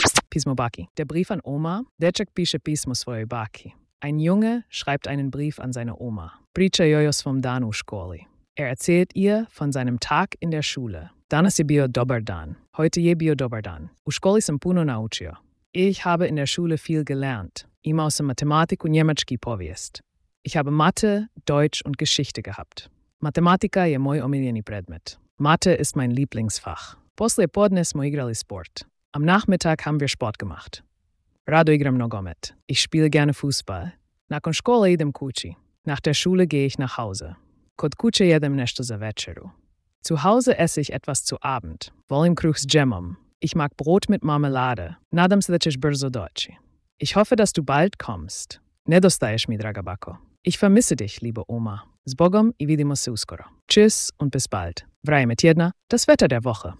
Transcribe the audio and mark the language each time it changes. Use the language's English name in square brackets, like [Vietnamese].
[Croatian] Pismo Baki. [German] Der Brief an Oma. [Croatian] Dečak piše pismo svojoj baki. [German] Ein Junge schreibt einen Brief an seine Oma. [Croatian] Priča joj o svom danu u školi. [German] Er erzählt ihr von seinem Tag in der Schule. [Croatian] Danas je bio dobar dan. [German] Heute [Croatian] je bio dobar dan. U školi sam puno naučio. [German] Ich habe in der Schule viel gelernt. [Croatian] Imao sam matematiku, njemački povijest. [German] Ich habe Mathe, Deutsch und Geschichte gehabt. [Croatian] Matematika je moj omiljeni predmet. [German] Mathe ist mein Lieblingsfach. [Croatian] Posle podne smo igrali sport. [German] Am Nachmittag haben wir Sport gemacht. [Croatian] Rado igram nogomet. [German] Ich spiele gerne Fußball. [Croatian] Nakon škole idem kući. [German] Nach der Schule gehe ich nach Hause. [Croatian] Kod kuće jedem nešto za večeru. [German] Zu Hause esse ich etwas zu Abend. [Croatian] Volim kruh s džemom. [German] Ich mag Brot mit Marmelade. [Croatian] Nadam se da ćeš brzo doći. [German] Ich hoffe, dass du bald kommst. [Croatian] Nedostaješ mi, draga bako. [German] Ich vermisse dich, liebe Oma. [Croatian] Zbogom i vidimo se uskoro. [German] Tschüss und bis bald. [Croatian] Vrijeme tjedna, [German] das Wetter der Woche.